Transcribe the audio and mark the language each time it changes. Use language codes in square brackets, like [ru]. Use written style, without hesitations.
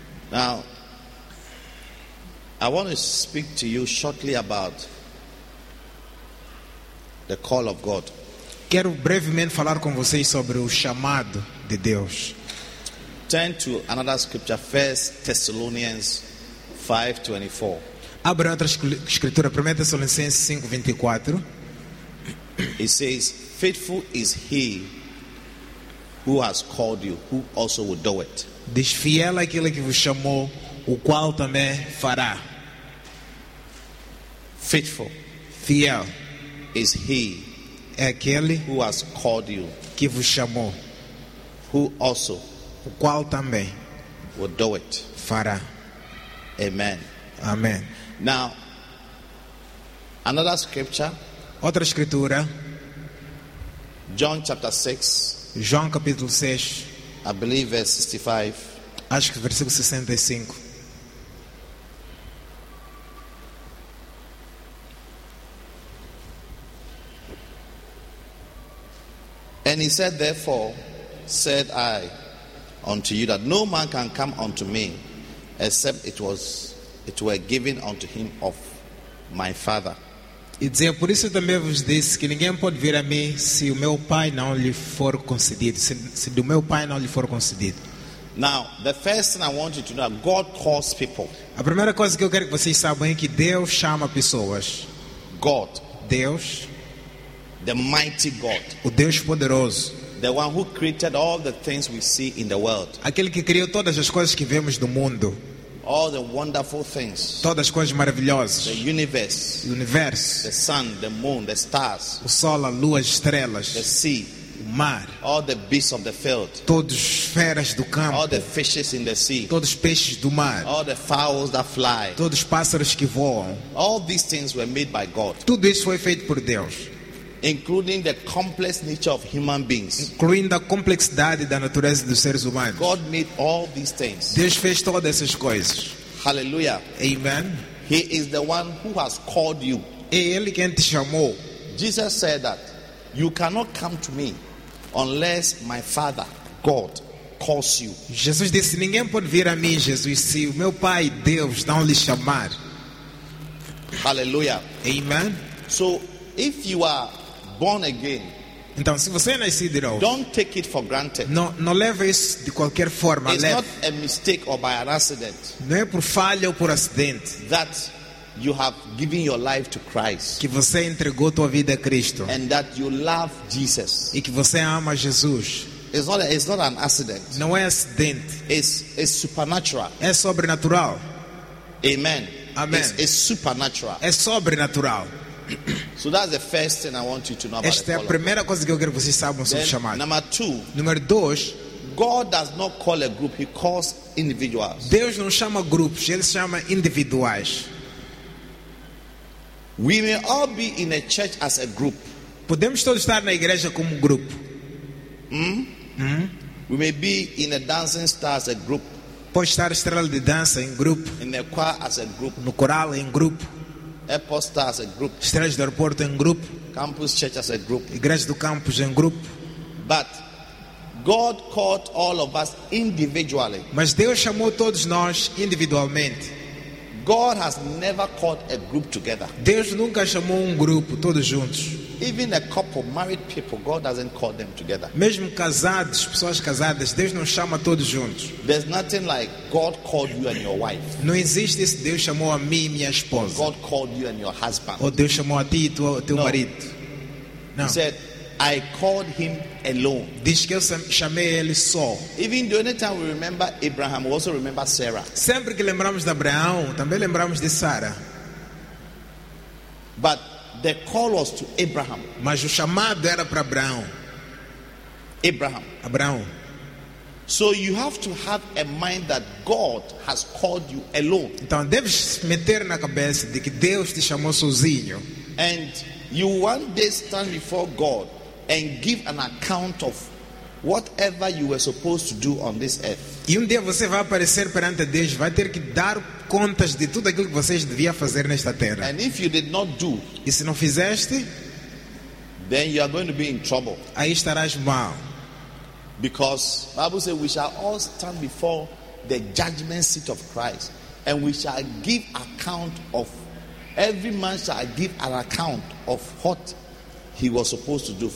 [en] Now, I want to speak to you shortly about the call of God. [pt] Quero brevemente falar com vocês sobre o chamado de Deus. [en] Turn to another scripture, 1 Thessalonians 5:24. [pt] Abra outra escritura, 1 Tessalonicenses 5:24. [en] It says, faithful is he who has called you, who also will do it. [pt] Diz, fiel aquele que vos chamou, o qual também fará. [en] Faithful, [pt] fiel, [en] is he, [pt] é aquele [en] who has called you, [pt] que vos chamou, [en] who also, [pt] o qual também, [en] will do it, [pt] fará. [en] Amen. [pt] Amen. [en] Now, another scripture. [pt] Outra escritura. [en] John chapter 6. [pt] João capítulo 6. [en] I believe verse 65. [pt] Acho que versículo 65. [en] And he said, therefore, said I unto you that no man can come unto me except it were given unto him of my Father. [pt] E dizia, por isso também vos disse que ninguém pode vir a mim se o meu Pai não lhe for concedido. Se do meu Pai não lhe for concedido. [en] Now, the first thing I want you to know, God calls people. [pt] A primeira coisa que eu quero que vocês saibam é que Deus chama pessoas. [en] God. [pt] Deus. [en] The mighty God, [pt] o Deus poderoso, [en] the one who created all the things we see in the world, [pt] aquele que criou todas as coisas que vemos no mundo, [en] all the wonderful things, [pt] todas as coisas maravilhosas, [en] the universe, [pt] o universo, [en] the sun, the moon, the stars, [pt] o sol, a lua, as estrelas, [en] the sea, [pt] o mar, [en] all the beasts of the field, [pt] todos os feras do campo, [en] all the fishes in the sea, [pt] todos os peixes do mar, [en] all the fowls that fly, [pt] todos os pássaros que voam, [en] all these things were made by God, [pt] tudo isso foi feito por Deus. [en] Including the complex nature of human beings. [pt] Incluindo a complexidade da natureza dos seres humanos. [en] God made all these things. [pt] Deus fez todas essas coisas. [en] Hallelujah. [pt] Amen. [en] He is the one who has called you. [pt] É ele quem te chamou. [en] Jesus said that you cannot come to me unless my Father, God, calls you. [pt] Jesus disse, ninguém pode vir a mim, Jesus, se o meu Pai, Deus, não lhe chamar. [en] Hallelujah. [pt] Amen. [en] So, if you are born again, [pt] Então, se você nasceu de novo, [en] don't take it for granted. [pt] Não leve isso de qualquer forma. [en] It's not a mistake or by an accident. [pt] Não é por falha ou por acidente. [en] That you have given your life to Christ. [pt] Que você entregou tua vida a Cristo. [en] And that you love Jesus. [pt] E que você ama Jesus. [en] It's not an accident. [pt] Não é acidente. [en] It's supernatural. [pt] É sobrenatural. [en] Amen. [pt] Amen. [en] It's supernatural. [pt] É sobrenatural. [en] So that's the first thing I want you to know about. [pt] Esta é a primeira coisa que eu quero que vocês saibam sobre o chamado. [en] Number two, [pt] número dois, [en] God does not call a group, he calls individuals. [pt] Deus não chama grupos, ele chama individuais. [en] We may all be in a church as a group. [pt] Podemos todos estar na igreja como grupo. [en] We may be in a dancing star as a group. [pt] Pode estar estrela de dança em grupo. [en] In a choir as a group. [pt] No coral em grupo. [en] Airport star as a group. [pt] Estrela do aeroporto em grupo. [en] Campus church as a group. [pt] Igreja do campus em grupo. [en] But God called all of us individually. [pt] Mas Deus chamou todos nós individualmente. [en] God has never called a group together. [pt] Deus nunca chamou grupo todos juntos. [en] Even a couple, married people, God doesn't call them together. [pt] Mesmo casados, pessoas casadas, Deus não chama todos juntos. [en] There's nothing like God called you and your wife. [pt] Não existe isso, Deus chamou a mim e minha esposa. [en] God called you and your husband. [pt] Ou Deus chamou a ti e teu marido. [en] No. He said, I called him alone. [pt] Diz que eu chamei ele só. [en] Even during the time we remember Abraham, we also remember Sarah. [pt] Sempre que lembramos de Abraão, também lembramos de Sara. [en] But the call was to Abraham. [pt] Mas o chamado era para Abraão. [en] Abraham. [pt] Abraão. [en] So you have to have a mind that God has called you alone. [pt] Então deves meter na cabeça de que Deus te chamou sozinho. [en] And you one day stand before God and give an account of whatever you were supposed to do on this earth. [pt] E dia você vai aparecer perante Deus, vai ter que dar contas de tudo aquilo que vocês deviam fazer nesta terra. [en] And if you did not do, [pt] e se não fizeste, [en] then you are going to be in trouble. [pt] Aí estarás mal. [en] Because Bible says we shall all stand before the judgment seat of Christ and we shall give account of every man shall give an account of what he was supposed to do.